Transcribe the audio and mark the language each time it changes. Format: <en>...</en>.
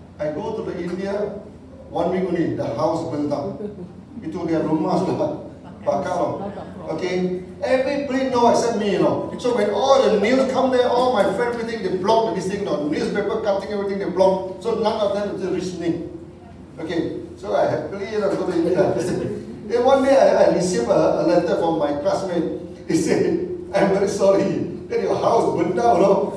<en>I go to the India, 1 week only, the house burnt down.</en> <ms>Itu dia rumah sudah bakar lho.</ms> <en>Okay, everybody know except me, you know. So when all the news come there, all my friends, everything, they block this thing, you know. Newspaper cutting, everything, they block. So none of them is listening. Okay, so I happily, you know, go to India. Then one day I receive a letter from my classmate. He said, I'm very sorry that your house burnt down, you know.</en>